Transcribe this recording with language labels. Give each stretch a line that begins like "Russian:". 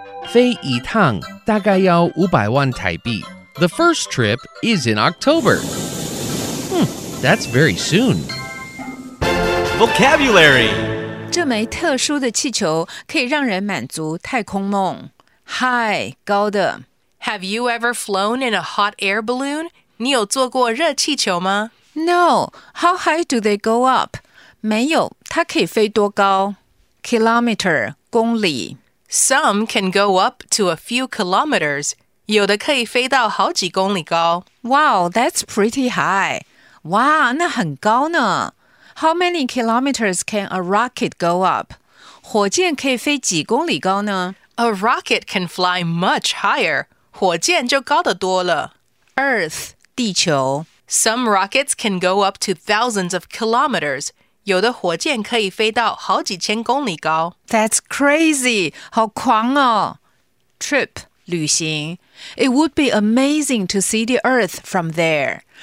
Chinese: 飞一趟大概要500万台币。
English: The first trip is in October. That's very soon. Vocabulary.
Chinese: 这枚特殊的气球可以让人满足太空梦。
English: High, 高的。 Have you ever flown in a hot air balloon?
Chinese: 你有坐过热气球吗？
English: No. How high do they go up?
Chinese: 没有，它可以飞多高？
English: Kilometer, 公里。 Some can go up to a few kilometers.
Chinese: 有的可以飞到好几公里高。
English: Wow, that's pretty high. 哇、wow,
Chinese: 那很高呢。
English: How many kilometers can a rocket go up?
Chinese: 火箭可以飞几公里高呢？
English: A rocket can fly much higher.
Chinese: 火箭就高得多了。
English: Earth, 地球。 Some rockets can go up to thousands of kilometers.
Chinese: 有的火箭可以飞到好几千公里高。
English: That's crazy,
Chinese: 好狂哦。
English: Trip. 旅行 It would be amazing to see the Earth from there.